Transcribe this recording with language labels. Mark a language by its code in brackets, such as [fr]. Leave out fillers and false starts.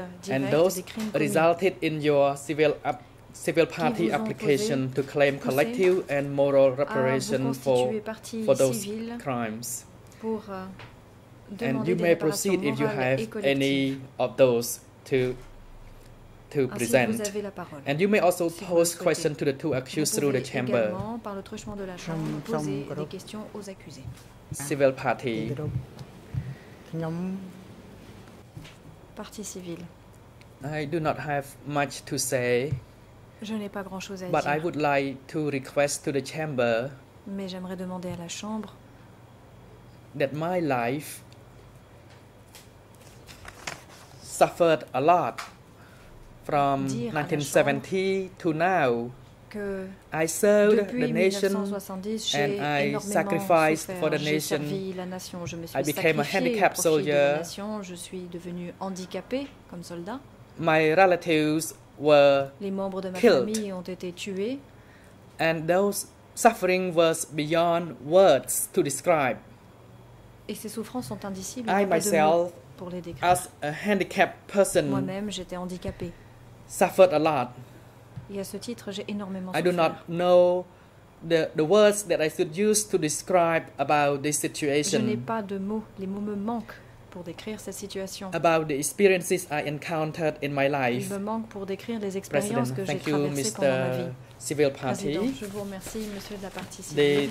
[en] And those resulted in your civil party application to claim collective and moral reparation for those crimes. And you may proceed if you have any of those to present. [fr] Ainsi, vous avez la parole, [en] and you may also si pose questions to the two accused through the chamber. [fr] Par le truchement de la chambre, poser des questions aux accusés. [en] Civil party. [fr] Parti civil. [en] I do not have much to say. [fr] Je n'ai pas grand-chose à [en] but [fr] dire. [en] But I would like to request to the chamber. [fr] Mais j'aimerais demander à la chambre. [en] That my life suffered a lot. From 1970 to now, I served the nation and I sacrificed for the nation. I became a handicapped soldier. [fr] Je suis devenu handicapé comme soldat. [en] My relatives were killed. [fr] Les membres de ma famille ont été tués. [en] And those suffering was beyond words to describe. [fr] Et ces souffrances sont indicibles. [en] I myself, [fr] pour les décrire. [en] As a handicapped person, [fr] moi-même, j'étais handicapé. [en] Suffered a lot. [fr] Et à ce titre, j'ai énormément souffert. [en] I do not know the words that I should use to describe about this situation. [fr] Je n'ai pas de mots. Les mots me manquent pour décrire cette situation. [en] About the experiences I encountered in my life. [fr] Il me manque pour décrire les expériences que j'ai traversées pendant ma vie. [en] Civil party. [fr] Président, je vous remercie, Monsieur de la partie civile.